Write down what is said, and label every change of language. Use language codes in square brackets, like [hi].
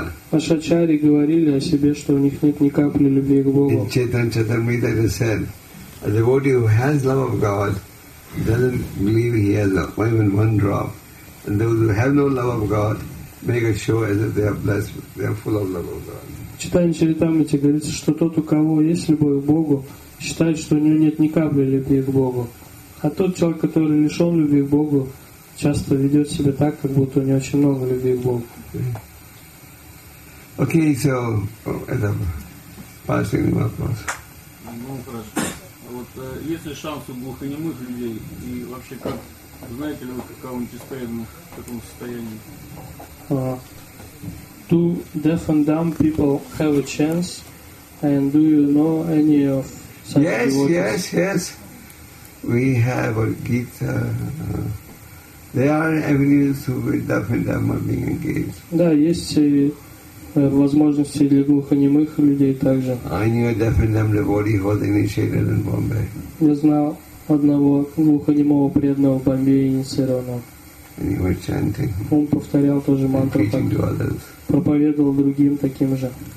[ru] Ашачари говорили о себе, что у них нет ни капли любви к Богу. [en] In Chaitanya Charitamrita they said, a devotee who has love of God doesn't believe he has even one drop. And those who have no love of God make a show as if they are blessed, they are full of love of God. [ru] В читании Чаритамрите говорится, что тот, у кого есть любовь к Богу, считает, что у него нет ни капли любви к Богу. А тот человек, который лишен любви к Богу, часто ведет себя так, как будто у него очень много любви к Богу. [en] Okay, okay, so [ru] это последний вопрос. Ну хорошо. Вот есть ли шанс у глухонемых людей? И вообще как? Знаете ли вы какого-нибудь из преданных в таком состоянии? [en] Do deaf and dumb people have a chance? And do you know any of such yes, devotees? Yes, yes, yes. We have a Gita. There are avenues to which deaf and dumb are being engaged. [ru] Да, есть возможности для глухонемых людей также. [en] I knew a deaf and dumb devotee who was initiated in Bombay. [ru] Я знал одного глухонемого преданного в Бомбее инициированного. [en] And he was chanting. [ru] Он повторял тоже мантру, проповедовал другим таким же.